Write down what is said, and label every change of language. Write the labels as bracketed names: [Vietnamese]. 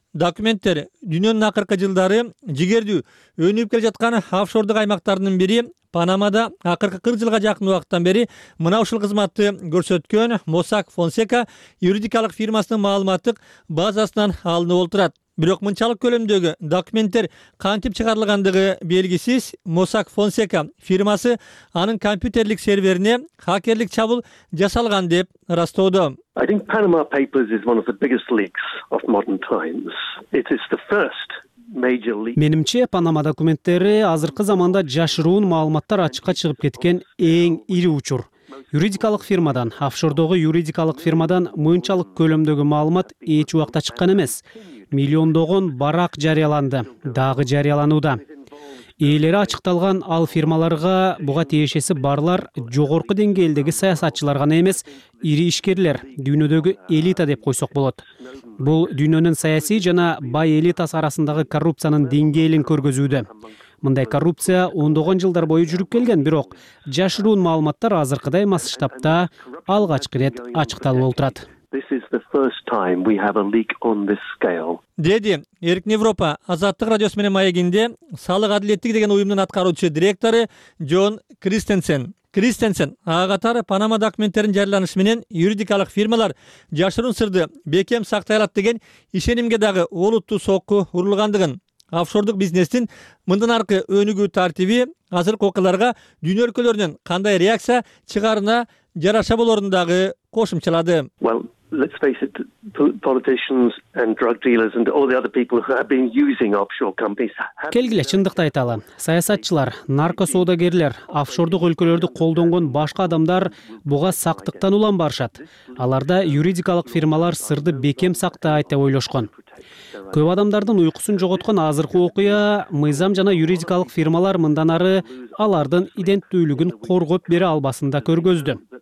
[Kyrgyz] Документтер дүйнөнүн акыркы жылдары жигердүү өнүп келе жаткан офшордук аймактарынын бири Панамада акыркы 40 жылга жакын убакыттан бери мына ушул кызматты көрсөткөн Mossack Fonseca юридикалык фирмасынын маалыматтык базасынан алынып отурат. Бирок мынчалык көлөмдөгү документтер кантип чыгарылгандыгы белгисиз. Mossack Fonseca фирмасы анын компьютерлик серверине хакерлик чабуул жасалган деп ырастоодо. [English] I think Panama Papers is one of the biggest leaks of modern times. It is the first major leak. [Kyrgyz] Менимче, Панама документтери азыркы заманда жашыруун маалыматтар ачыкка чыгып кеткен эң ири учур. Юридикалык фирмадан, офшордогу юридикалык фирмадан мынчалык көлөмдөгү маалымат эч убакта чыккан эмес. Миллиондогон барак жарыяланды, дагы жарыяланууда. Ээлери ачыкталган ал фирмаларга буга тиешеси барлар жогорку деңгээлдеги саясатчылар гана эмес, ири ишкерлер, дүйнөдөгү элита деп койсок болот. Бул дүйнөнүн саясий жана бай элитасы арасындагы коррупциянын деңгээлин көргөзүүдө. Мындай коррупция ондогон жылдар бою жүрүп келген, бирок жашыруун маалыматтар азыркыдай масштабта алгачкы ирет ачыкталып отурат. [English] This is the first time we have a leak on this scale. [Kyrgyz] Деди Эркин Европа Азаттык радиосу менен маегинде салык адилеттиги деген уюмдун аткаруучу директору Джон Кристенсен. Кристенсен ага катар Панама документтеринин жарыяланышы менен юридикалык фирмалар жашыруун сырды бекем сактай алат деген ишенимге дагы олуттуу сокку урулгандыгын, офшордук бизнестин мындан аркы өнүгүү тартиби азыркы окуяларга дүйнө өлкөлөрүнөн кандай реакция чыгарына жараша болорун дагы кошумчалады. [English] Well, let's face it, politicians and drug dealers and all the other people who have been using offshore companies. [Kyrgyz] Келгиле чындыкты айталы. Саясатчылар, наркосоодагерлер, офшордук өлкөлөрдү колдонгон башка адамдар буга сактыктан улам барышат. Аларда юридикалык фирмалар сырды бекем сактайт деп ойлошкон. Көп адамдардын уйкусун жоготкон азыркы окуя мыйзам жана юридикалык фирмалар мындан ары алардын иденттүүлүгүн коргоп бере албасында көргөздү.